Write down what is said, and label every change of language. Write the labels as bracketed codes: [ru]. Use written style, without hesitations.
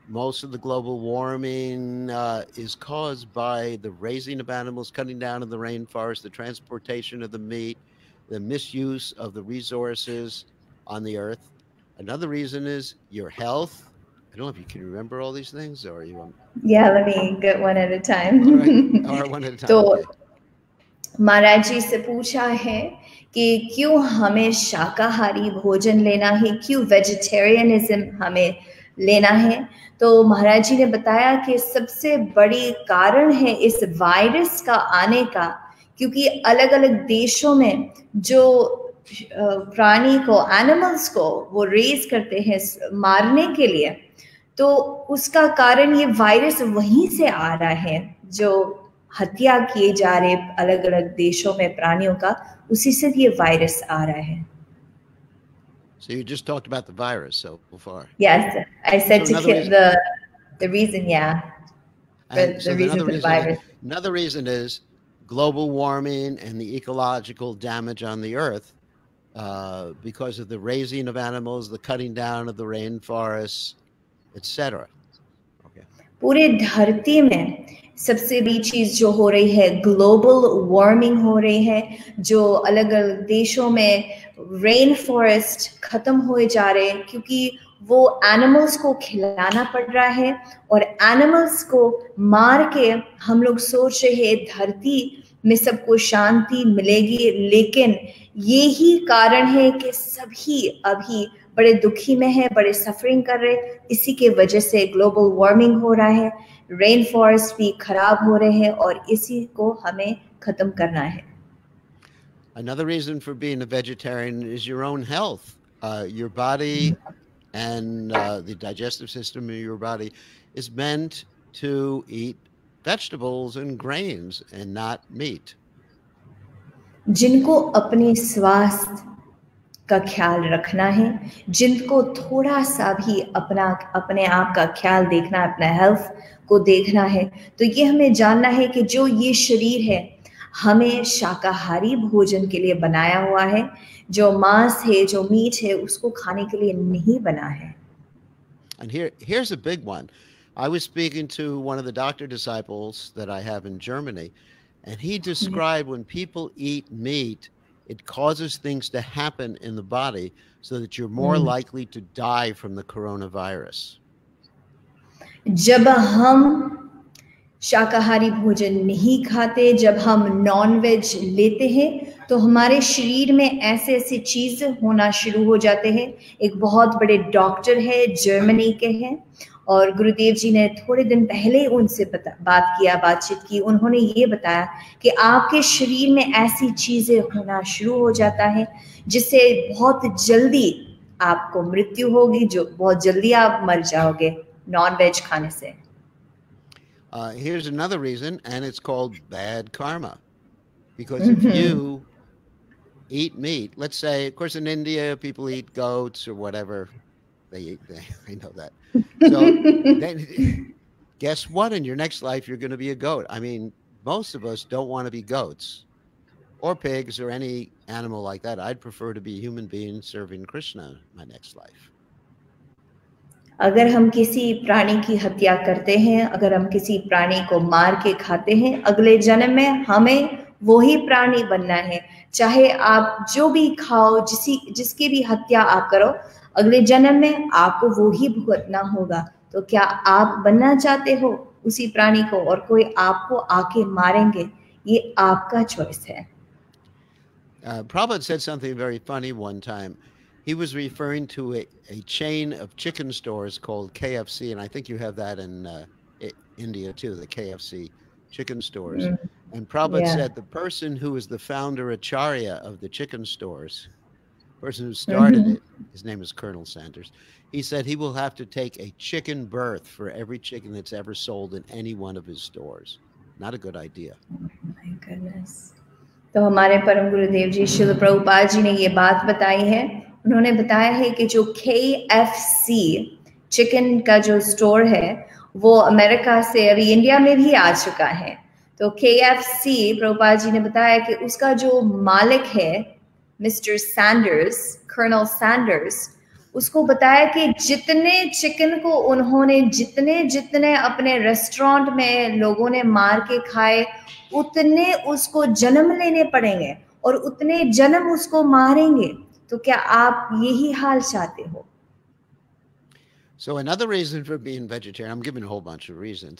[en] Most of the global warming is caused by the raising of animals, cutting down of the rainforest, the transportation of the meat, the misuse of the resources on the earth. Another reason is your health. I don't know if you can remember all these things or you want. Yeah, let me get one at a time. [hi] Maharaji se pucha hai ki kyun hame shakahari bhojan lena hai, kyun vegetarianism hame लेना है तो महाराज जी ने बताया कि सबसे बड़ी कारण है इस वायरस का आने का क्योंकि अलग-अलग देशों में जो प्राणी को एनिमल्स को वो रेज करते हैं मारने के लिए तो उसका कारण ये वायरस वहीं से आ रहा है जो हत्या किए जा रहे अलग-अलग देशों में प्राणियों का उसी से ये वायरस आ रहा है. [en] So you just talked about the virus so far. Yes, I said so to kill the reason, yeah. Another reason is global warming and the ecological damage on the earth because of the raising of animals, the cutting down of the rainforests, etc. [hi] पूरे धरती में सबसे बड़ी चीज जो हो रही है ग्लोबल वार्मिंग हो रही है जो अलग अलग देशों में रेन फॉरेस्ट खत्म हो जा रहे हैं क्योंकि वो एनिमल्स को खिलाना पड़ रहा है और एनिमल्स को मार के हम लोग सोच रहे हैं धरती में सबको शांति मिलेगी लेकिन ये ही कारण है कि सभी अभी बड़े दुखी में है बड़े सफरिंग कर रहे इसी के वजह से ग्लोबल वार्मिंग हो रहा है रेन फॉरेस्ट भी खराब हो रहे हैं और इसी को हमें खत्म करना है. [en] Another reason for being a vegetarian is your own health. Your body and the digestive system in your body is meant to eat vegetables and grains and not meat. [hi] जिनको अपने स्वास्थ्य का ख्याल रखना है, जिनको थोड़ा सा भी अपना अपने आप का ख्याल देखना है, अपना हेल्थ को देखना है, तो ये हमें जानना है कि जो ये शरीर है, हमें शाकाहारी भोजन के लिए बनाया हुआ है, जो मांस है, जो मीट है, उसको खाने के लिए नहीं बना है। [en] And here's a big one. I was speaking to one of the doctor disciples that I have in Germany. And he described when people eat meat, it causes things to happen in the body so that you're more likely to die from the coronavirus. [hi] जब हम शाकाहारी भोजन नहीं खाते, जब हम nonveg लेते हैं, तो हमारे शरीर में ऐसे-ऐसे चीजें होना शुरू हो जाते हैं। एक बहुत बड़े डॉक्टर हैं जर्मनी के हैं। और गुरुदेव जी ने थोड़े दिन पहले उनसे बात किया बातचीत की उन्होंने ये बताया कि आपके शरीर में ऐसी चीजें होना शुरू हो जाता है जिससे बहुत जल्दी आपको मृत्यु होगी जो बहुत जल्दी आप मर जाओगे नॉनवेज खाने से [en] here's another reason and it's called bad karma because if you eat meat let's say of course in India people eat goats or whatever they know that so then, guess what? In your next life, you're going to be a goat. I mean, most of us don't want to be goats or pigs or any animal like that. I'd prefer to be a human being serving Krishna my next life. [hi] अगर हम किसी प्राणी की हत्या करते हैं, अगर हम किसी प्राणी को मार के खाते हैं, अगले जन्म में हमें वही प्राणी बनना है। चाहे आप जो भी खाओ, जिसकी भी हत्या आप करो। अगले जन्म में आपको वो ही भुगतना होगा तो क्या आप बनना चाहते हो उसी प्राणी को और कोई आपको आके मारेंगे ये आपका चॉइस है [en] Prabhupada said something very funny one time he was referring to a chain of chicken stores called KFC and I think you have that in India too the KFC chicken stores and Prabhupada said the person who is the founder acharya of the chicken stores person who started it, his name is Colonel Sanders, he said he will have to take a chicken birth for every chicken that's ever sold in any one of his stores. Not a good idea. Oh my goodness. [hi] So हमारे परम गुरुदेव जी श्रील प्रभुपाद जी ने ये बात बताई है. उन्होंने बताया है कि जो KFC chicken का जो store है, वो अमेरिका से अभी इंडिया में भी आ चुका है. तो KFC प्रभुपाद जी ने बताया कि उसका जो मालिक है, Mr. Sanders, Colonel Sanders, उसको बताया कि जितने चिकन को उन्होंने जितने अपने रेस्टोरेंट में लोगों ने मार के खाए, उतने उसको जन्म लेने पड़ेंगे और उतने जन्म उसको मारेंगे। तो क्या आप यही हाल चाहते हो? [en] So another reason for being vegetarian, I'm giving a whole bunch of reasons.